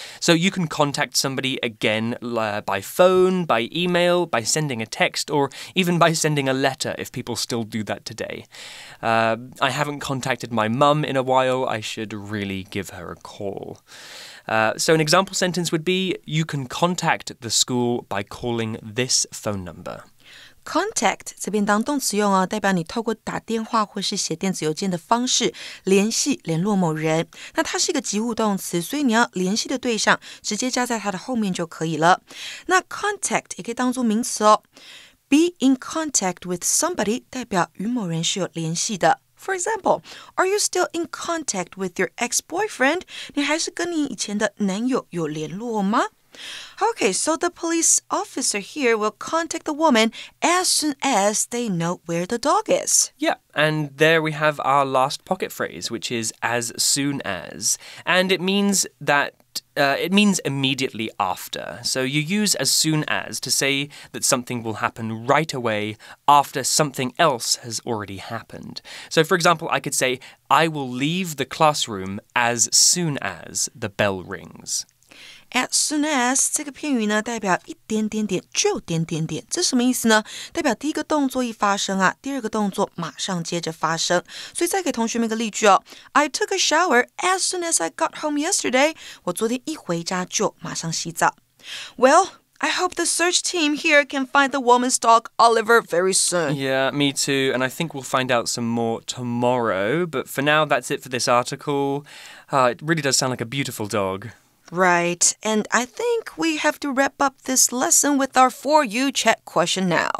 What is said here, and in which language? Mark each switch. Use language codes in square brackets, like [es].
[en] So you can contact somebody again by phone, by email, by sending a text, or even by sending a letter, if people still do that today. I haven't contacted my mum in a while. I should really give her a call. So an example sentence would be, you can contact the school by calling this phone number. [zh] Contact, 这边当动词用哦，代表你透过打电话或是写电子邮件的方式联系联络某人。那它是一个及物动词，所以你要联系的对象直接加在它的后面就可以了。那 contact 也可以当作名词哦。 [en] Be in contact with somebody [zh] 代表与某人是有联系的。 [en] For example, are you still in contact with your ex-boyfriend? [zh] 你还是跟你以前的男友有联络吗? [en] Okay, so the police officer here will contact the woman as soon as they know where the dog is. Yeah, and there we have our last pocket phrase, which is as soon as. And it means that... it means immediately after. So you use as soon as to say that something will happen right away after something else has already happened. So for example, I could say, I will leave the classroom as soon as the bell rings. [zh] As soon as, 这个片语呢代表一点点点就点点点。这什么意思呢代表第一个动作一发生啊第二个动作马上接着发生。所以再给同学们一个例句哦。 [en] I took a shower as soon as I got home yesterday. [zh] 我昨天一回家就马上洗澡。 [en] Well... I hope the search team here can find the woman's dog, Oliver, very soon. Yeah, me too. And I think we'll find out some more tomorrow. But for now, that's it for this article. It really does sound like a beautiful dog. Right. And I think we have to wrap up this lesson with our For You Check question now.